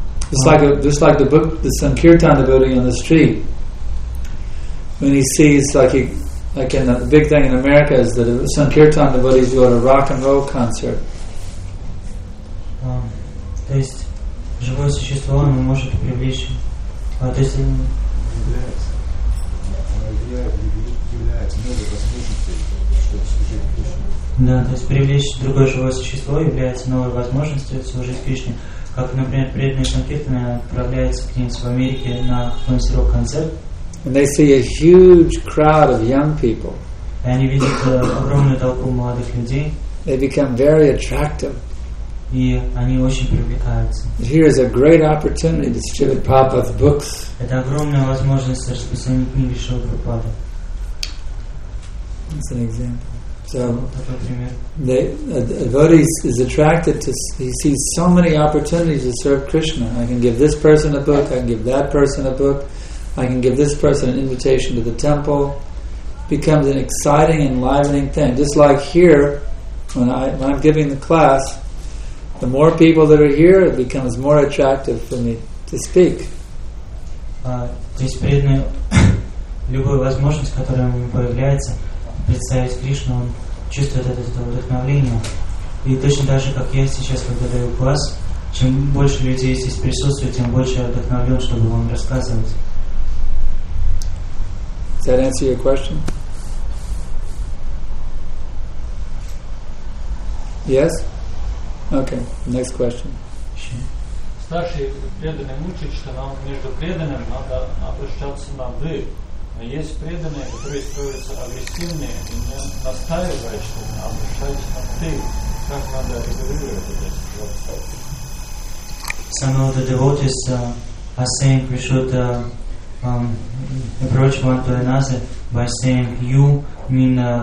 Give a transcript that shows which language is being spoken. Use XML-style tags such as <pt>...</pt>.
<en>Just like the book, the Sankirtan devotee on the street. When he sees the big thing in America is that the Sankirtan devotees go to a rock and roll concert.</en> <ru>Живое существо, оно может привлечь. То есть привлечь другое живое существо является новой возможностью служить Кришне. Как, например, преданные санкиртаны отправляются к ним в Америке на какой-нибудь рок-концерт.</ru> <en>And they see a huge crowd of young people.</en> <ru>И они видят огромную толпу молодых людей.</ru> <en>They become very attractive.</en> <ru>И они очень привлекаются.</ru> <en>Here is a great opportunity to distribute Prabhupada's books.</en> <ru>Это огромная возможность распространить книги Шрилы Прабхупады.</ru> <en>That's an example. So, a devotee is attracted to. He sees so many opportunities to serve Krishna. I can give this person a book. I can give that person a book. I can give this person an invitation to the temple. Becomes an exciting, enlivening thing. Just like here, when I'm giving the class. The more people that are here, it becomes more attractive for me to speak.</en> <ru>То есть преданный любую возможность, которая у него появляется, представить Кришну, он чувствует это вдохновение. И точно так же, как я сейчас благодарю вас, чем больше людей здесь присутствует, тем больше я вдохновлен, чтобы вам рассказывать.</ru> <en>Does that answer your question? Yes? Okay, next question.</en> <ru>Старший преданный учит, что нам между преданным надо обращаться на «вы». Но есть преданные, которые строятся агрессивные, и не настаивают, что мы обращаемся на «ты». Как надо регулировать это ситуацию?</ru> <en>Some of the devotees are saying we should approach one to another by saying «you» mean</en>